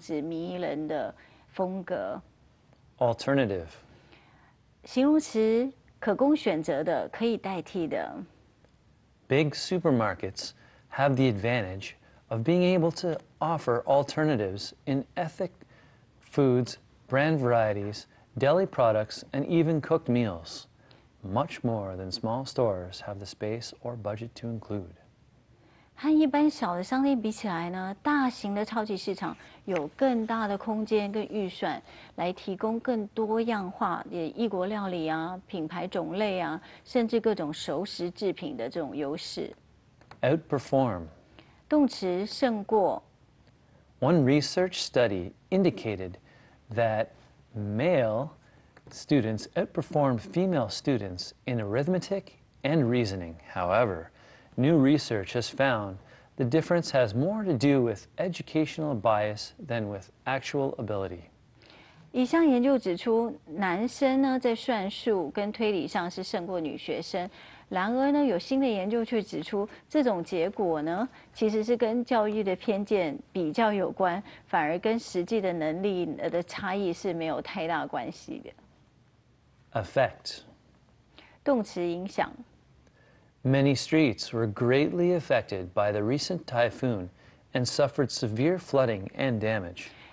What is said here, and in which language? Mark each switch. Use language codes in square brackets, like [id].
[zh] 这个房子呢，完全是以非常精致美丽的古董家具来布置，让它有宛如早期世纪的那种房子迷人的风格。 [en] Alternative. [zh] 形容词可供选择的，可以代替的。 [en] Big supermarkets have the advantage of being able to offer alternatives in ethnic foods, brand varieties, deli products, and even cooked meals, much more than small stores have the space or budget to include. [zh] 和一般小的商店比起来呢，大型的超级市场有更大的空间跟预算，来提供更多样化的异国料理啊、品牌种类啊，甚至各种熟食制品的这种优势。Outperform. 动词胜过. [en] One research study indicated that male students outperformed female students in arithmetic and reasoning. However, new research has found the difference has more to do with educational bias than with actual ability. [zh] 以上研究指出，男生呢在算术跟推理上是胜过女学生。然而呢，有新的研究却指出，这种结果呢，其实是跟教育的偏见比较有关，反而跟实际的能力的差异是没有太大关系的。Effect. 动词影响。 [en] Many streets were greatly affected by the recent typhoon and suffered severe flooding and damage.